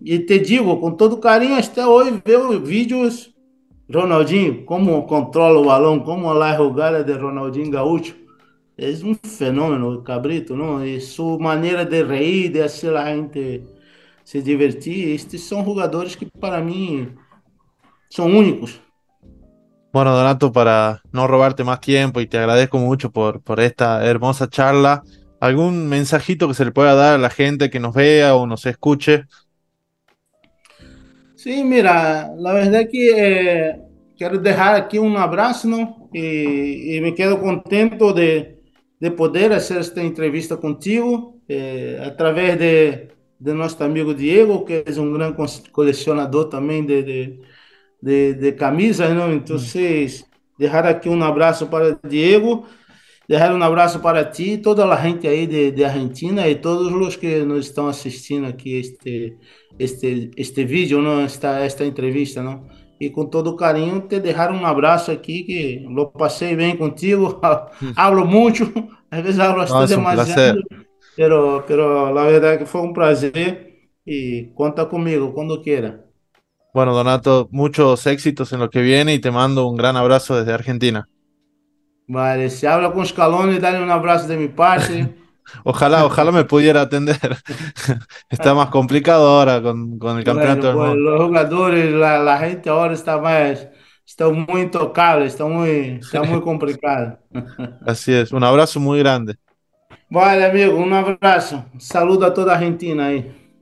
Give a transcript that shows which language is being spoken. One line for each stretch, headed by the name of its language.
Portuguese: E te digo, com todo carinho, até hoje, ver os vídeos Ronaldinho, como controla o balão, como lá é a jogada de Ronaldinho Gaúcho. É um fenômeno, cabrito, não? E sua maneira de reír, de ser lá, gente se divertir, estes são jogadores que para mim são únicos.
Spanish: Bueno, Donato, para no robarte más tiempo y te agradezco mucho por esta hermosa charla, ¿algún mensajito que se le pueda dar a la gente que nos vea o nos escuche?
Portuguese: Sim, mira, na verdade que quero deixar aqui um abraço, não? E me quero contento de poder fazer esta entrevista contigo, através de nosso amigo Diego, que é um grande colecionador também de camisas, não? Então, vocês deixar aqui um abraço para Diego, deixar um abraço para ti e toda a gente aí de Argentina e todos os que nos estão assistindo aqui este vídeo, não? Esta entrevista, não? E com todo carinho, te deixar um abraço aqui, que eu passei bem contigo, hablo muito, às vezes hablo Não, é um demasiado. prazer.
Spanish: Pero, la verdad que fue un placer y cuenta conmigo cuando quiera. Bueno, Donato, muchos éxitos en lo que viene y te mando un gran abrazo desde Argentina. Vale, se habla con Scaloni, dale un abrazo de mi parte. Ojalá me pudiera atender. Está más complicado ahora con el campeonato del mundo. los jugadores, la gente ahora está muy tocable, está muy complicado. Así es, un abrazo muy grande.
Portuguese: Vale, amigo, um abraço. Saludo a toda a Argentina aí.